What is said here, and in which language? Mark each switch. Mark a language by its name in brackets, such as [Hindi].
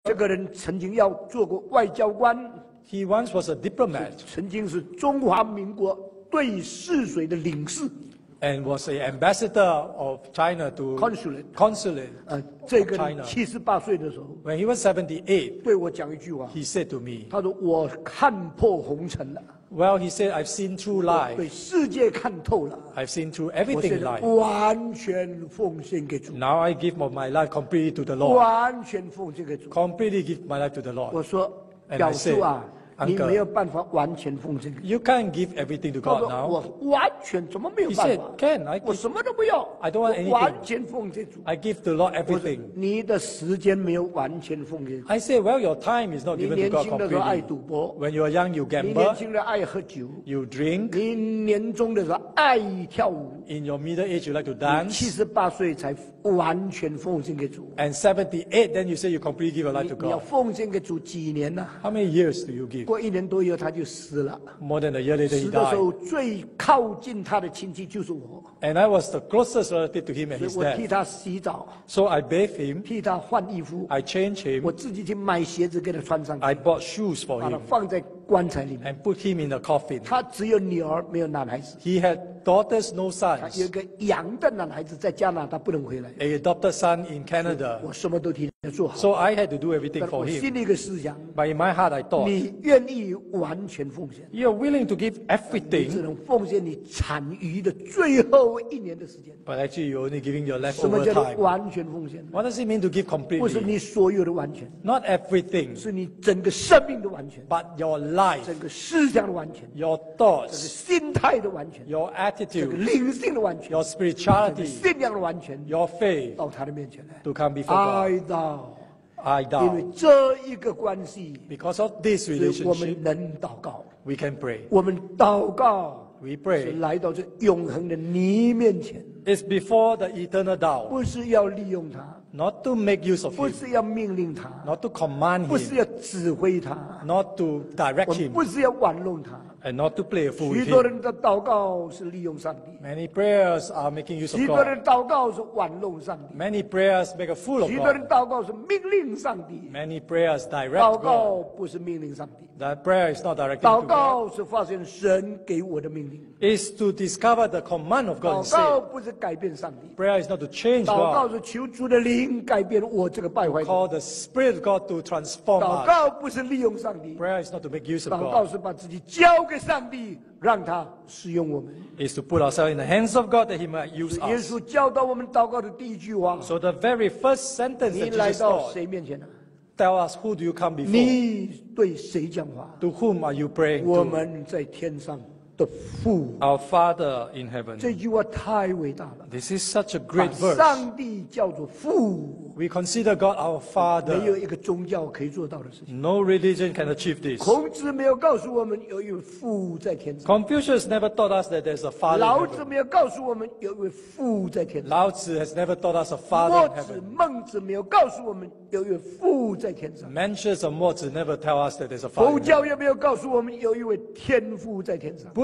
[Chinese] 这个人曾经要做过外交官。 [English] He once was a diplomat. [Chinese] 曾经是中华民国对泗水的领事。 [English] And was an ambassador of China to consulate. [Chinese] 这个人七十八岁的时候 [English] ，When he was 78, [Chinese] 对我讲一句话。 [English] He said to me, [Chinese] 他说我看破红尘了。 [English] Well, he said, I've seen through life. [Chinese] 对世界看透了。 [English] I've seen through everything in life. [Chinese] 完全奉献给主。 [English] Now I give my life completely to the Lord. [Chinese] 完全奉献给主。 [English] Completely give my life to the Lord. [Chinese] 我说，表叔啊，你没有办法完全奉献。 [English] You can't give everything to God now. [Chinese] 我完全怎么没有办法 [English] ？He said, "Can I?" [Chinese] 我什么都不要。 [English] I don't want anything. [Chinese] 完全奉献主。 [English] I give the Lord everything. [Chinese] 你的时间没有完全奉献。 [English] I said, "Well, your time is not given to God completely." [Chinese] 你年轻的时候爱赌博。 [English] When you are young, you gamble. [Chinese] 你年轻的爱喝酒。 [English] You drink. [Chinese] 你年中的时候爱跳舞。 [English] In your middle age, you like to dance. [Chinese] 七十八岁才完全奉献给主。 [English] And 78, then you say you completely give your life to God. [Chinese] 你要奉献给主几年呢 [English] ？How many years do you give? [Chinese] 过一年多以后他就死了。 [English] More than a year later, he died. [Chinese] 死的时候最靠近他的亲戚就是我。 [English] And I was the closest relative to him and his death. [Chinese] 我替他洗澡。 [English] So I bathe him. [Chinese] 替他换衣服。 [English] I change him. [Chinese] 我自己去买鞋子给他穿上去。 [English] I bought shoes for him. [Chinese] 把他放在棺材里面。 [English] And put him in the coffin. [Chinese] 他只有女儿，没有男孩子。 [English] He had daughters, no sons. [Chinese] 他有个养的男孩子在加拿大，不能回来。 [English] A adopted son in Canada. [Chinese] 我什么都替他做好。 [English] So I had to do everything for him. [Chinese] 我心里一个思想。 [English] But in my heart, I thought. [Chinese] 你愿意完全奉献。 [English] You are willing to give everything. [Chinese] 你只能奉献你残余的最后一年的时间。 [English] But actually, you're only giving your leftover [Chinese] time. 什么叫做完全奉献？ [English] What does it mean to give completely? [Chinese] 不是你所有的完全。 [English] Not everything. [Chinese] 是你整个生命的完全。 [English] But your life. [Chinese] 整个思想的完全。 [English] Your thoughts. [Chinese] 整个心态的完全。 [English] Your attitude. [Chinese] 整个灵性的完全。 [English] Your spirituality. [Chinese] 整个信仰的完全。 [English] Your faith. [Chinese] 到他的面前来。 [English] To come before God. I doubt. [Chinese] 因为这一个关系。 [English] Because of this relationship. [Chinese] 我们能祷告。 [English] We can pray. [Chinese] 我们祷告。 [English] We pray. [Chinese] 是来到这永恒的你面前。 [English] It's before the eternal thou. [Chinese] 不是要利用他。 [English] Not to make use of him. [Chinese] 不是要命令他。 [English] Not to command him. [Chinese] 不是要指挥他。 [English] Not to direct him. [Chinese] 不是要玩弄他。 [English] And not to play a fool with him. [Chinese] 许多人的祷告是利用上帝。 [English] Many prayers are making use of God. [Chinese] 许多人祷告是玩弄上帝。 [English] Many prayers make a fool of God. [Chinese] 许多人祷告是命令上帝。 [English] Many prayers direct God. [Chinese] 祷告不是命令上帝。 [English] That prayer is not directed to God. [Chinese] 祷告是发现神给我的命令。 [English] Is to discover the command of God. [Chinese] 祷告不是改变上帝。 [English] Prayer is not to change God. [Chinese] 祷告是求主的灵改变我这个败坏。 [English] Call the Spirit of God to transform us. [Chinese] 祷告不是利用上帝。 [English] Prayer is not to make use of God. [Chinese] 祷告是把自己交给上帝，让他使用我们。 [English] Is to put ourselves in the hands of God that He might use us. [Chinese] 耶稣教导我们祷告的第一句话。 [English] So the very first sentence that Jesus taught. [Chinese] 你来到谁面前呢？ [English] Tell us who do you come before? [Chinese] 你对谁讲话 [English] ？To whom are you praying? [Chinese] 我们在天上的父。 [English] Our Father in heaven. [Chinese] 这句话太伟大了。 [English] This is such a great verse. [Chinese] 上帝叫做父。 [English] We consider God our Father. [Chinese] 没有一个宗教可以做到的事情。 [English] No religion can achieve this. [Chinese] 孔子没有告诉我们有一位父在天上。 [English] Confucius never taught us that there's a Father. [Chinese] 老子没有告诉我们有一位父在天上。 [English] 老子 has never taught us a Father in heaven. [Chinese] 孟子没有告诉我们有一位父在天上。 [English] Mencius and 墨子 never tell us that there's a Father. [Chinese] 佛教也没有告诉我们有一位天父在天上。